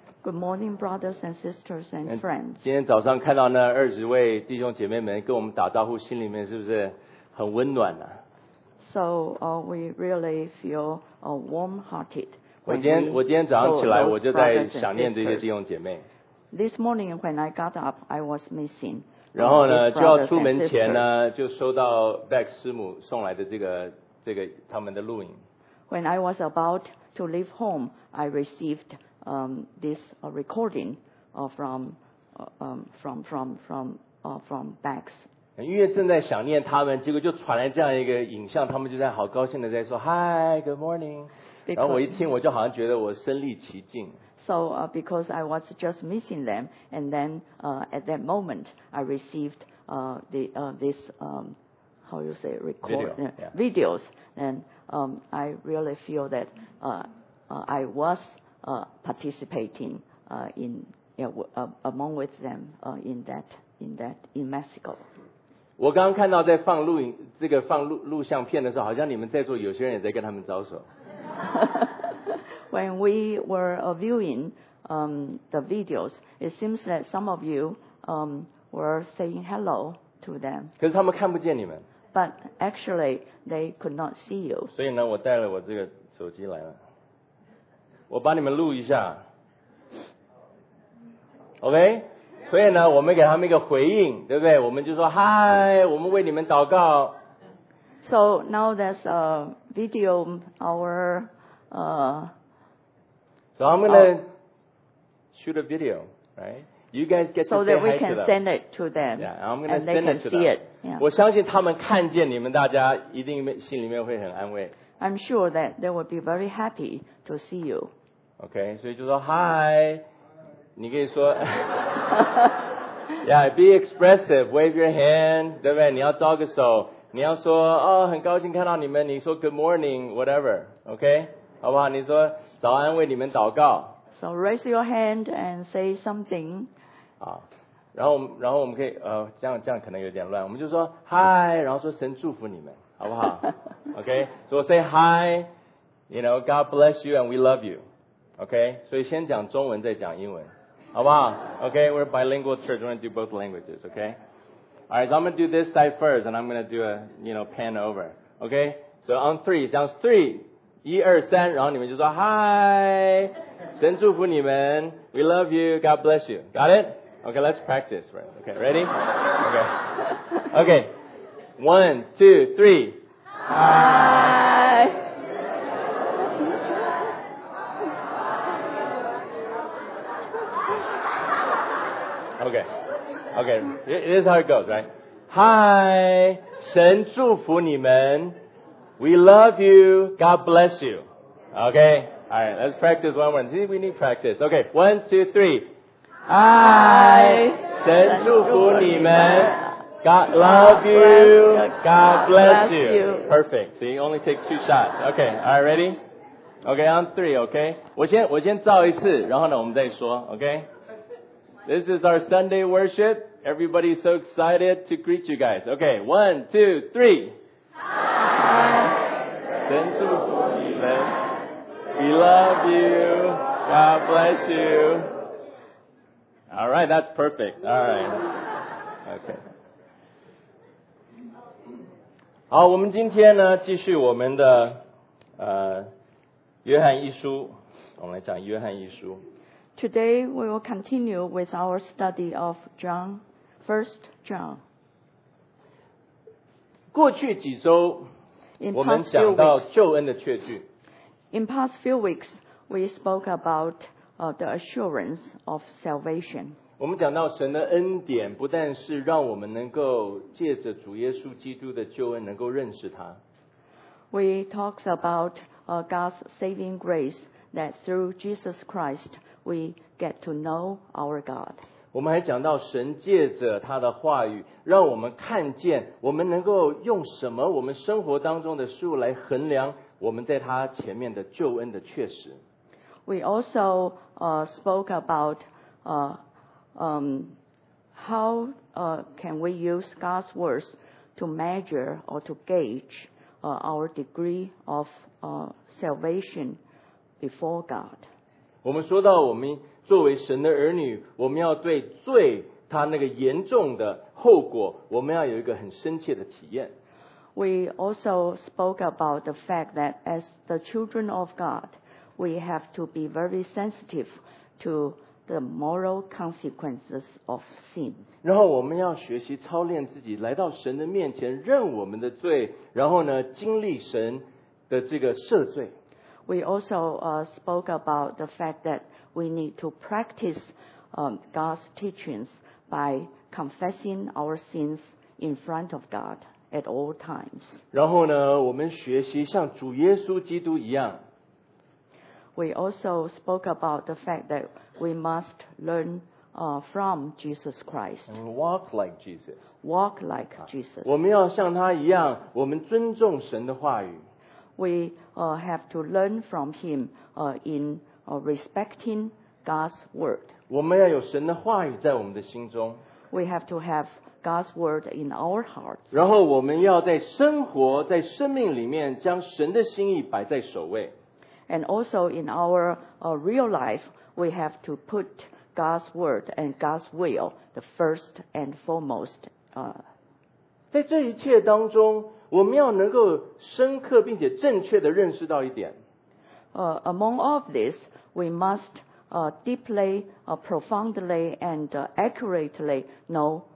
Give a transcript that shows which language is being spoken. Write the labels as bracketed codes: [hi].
[en] Good morning, brothers and sisters and friends. [zh] 今天早上看到那二十位弟兄姐妹们跟我们打招呼，心里面是不是很温暖呢、啊、 [en] ？So, we really feel warm-hearted. [zh] 我今天早上起来，我就在想念这些弟兄姐妹。 [en] This morning when I got up, I was missing. [zh] 然后呢，就要出门前呢，就收到 Beck 师母送来的这个他们的录影。 [en] When I was about to leave home, I received this recording from Bex. [zh] 因为正在想念他们，结果就传来这样一个影像，他们就在好高兴的在说 [en] "Hi, good morning." Because, [zh] 然后我一听，我就好像觉得我身历其境。 [en] So because I was just missing them, and then at that moment, I received videos. And I really feel that I was participating in among with them in Mexico. [zh] 我刚刚看到在放录影，这个放录像片的时候，好像你们在座有些人也在跟他们招手。 [en] When we were viewing the videos, it seems that some of you were saying hello to them. [zh] 可是他们看不见你们。 [en] But actually, they could not see you. [zh] 所以呢，我带了我这个手机来了，我把你们录一下 ，OK？所以呢，我们给他们一个回应，对不对？我们就说 Hi， 我们为你们祷告。 [en] So now that's a video. Our So I'm gonna shoot a video, right? You guys get to say hi to them. So that we can send it to them. Yeah, I'm going to send it to them. Yeah. [zh] 我相信他们看见你们大家一定心里面会很安慰。 [en] I'm sure that they will be very happy to see you. [zh] Okay, 所以就说 hi. 你可以说 [en] Yeah, be expressive. Wave your hand. [zh] 对不对？你要招个手。你要说哦，很高兴看到你们。你说 [en] good morning, whatever. Okay? [zh] 好不好？你说早安，为你们祷告。 [en] So raise your hand and say something. [zh] 啊，然后我们可以这样可能有点乱。我们就说 Hi， 然后说神祝福你们，好不好？ [en] OK， so say Hi， you know God bless you and we love you. [zh] OK， 所以先讲中文，再讲英文，好不好 ？ [en] OK， we're bilingual church. We're gonna do both languages. OK， all right， so I'm gonna do this side first and I'm gonna do a you know pan over. OK， so on three， [zh] 讲 three， 一二三，然后你们就说 Hi。神祝福你们 [en] We love you God bless you Got it? Okay, let's practice right? Okay, ready? Okay Okay One, two, three Hi Okay Okay This is how it goes, right? Hi [zh] 神祝福你们 [en] We love you God bless you OkayAll right, let's practice one more. See, we need practice. Okay, one, two, three. Hi. [zh] 神祝福你们 [en] God love you. God bless you. Perfect. See, only take two shots. Okay, all right, ready? Okay, on three, okay? [zh] 我先照一次然后呢我们再说 okay? [en] This is our Sunday worship. Everybody's so excited to greet you guys. Okay, one, two, three. Hi. [zh] 神祝福你们 [en] We love you. God bless you. All right, that's perfect. All right. Okay. [zh] 好，我们今天呢，继续我们的约翰一书。我们来讲约翰一书。 [en] Today we will continue with our study of John, First John. [zh] 过去几周，我们讲到救恩的确据。 [en] In past few weeks, we spoke about the assurance of salvation. [zh] 我们讲到神的恩典不但是让我们能够借着主耶稣基督的救恩能够认识他。 [en] We talked about God's saving grace that through Jesus Christ, we get to know our God. [zh] 我们还讲到神借着他的话语让我们看见我们能够用什么我们生活当中的事物来衡量我们在他前面的救恩的确实。 [en] We also spoke about how can we use God's words to measure or to gauge our degree of salvation before God. [zh] 我们说到我们作为神的儿女，我们要对罪他那个严重的后果，我们要有一个很深切的体验。 [en] We also spoke about the fact that as the children of God, we have to be very sensitive to the moral consequences of sin. [zh] 然后我们要学习操练自己，来到神的面前，认我们的罪，然后呢，经历神的这个赦罪。 [en] We also spoke about the fact that we need to practice God's teachings by confessing our sins in front of God. At all times. [zh] 然后呢，我们学习像主耶稣基督一样。 [en] We also spoke about the fact that we must learn from Jesus Christ. Walk like Jesus. Walk like Jesus. [zh] 我们要像他一样，我们尊重神的话语。 [en] We have to learn from him in respecting God's word. [zh] 我们要有神的话语在我们的心中。 [en] We have to haveGod's word in our hearts. [zh] 然后我们要在生活，在生命里面将神的心意摆在首位。 [en] And also in our real life, we have to put God's word and God's will the first and foremost. [zh] 在这一切当中，我们要能够深刻并且正确的认识到一点。 [en] Among all of this, we must deeply, profoundly, and accurately know.